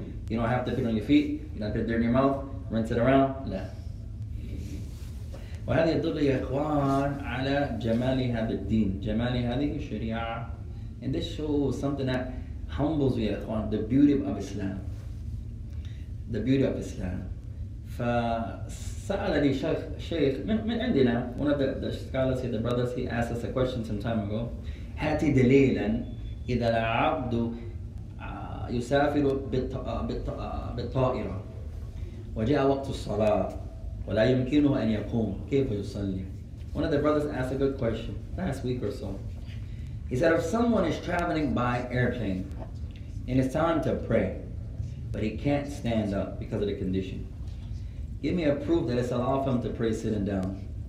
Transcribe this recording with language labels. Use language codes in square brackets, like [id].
[en] You don't have to put it on your feet, you don't have to put dirt in your mouth, rinse it around, la. [ar] وهذا يدل يا إخوان على جمال هذا الدين, جمال هذه الشريعة. [en] And this shows something that humbles [ar] يا إخوان, [en] the beauty of Islam. The beauty of Islam. [ar] فسألني شيخ من عندنا, [en] one of the scholars here, the brothers, he asked us a question some time ago. [ar] هاتي دليلا إذا العبد يسافر بالطائرة وجاء وقت الصلاة ولا يمكنه أن يقوم كيف يصلي. [en] One of the brothers asked a good question last week or so. He said, if someone is traveling by airplane and it's time to pray but he can't stand up because of the condition, give me a proof that it's allowed for him to pray sitting down.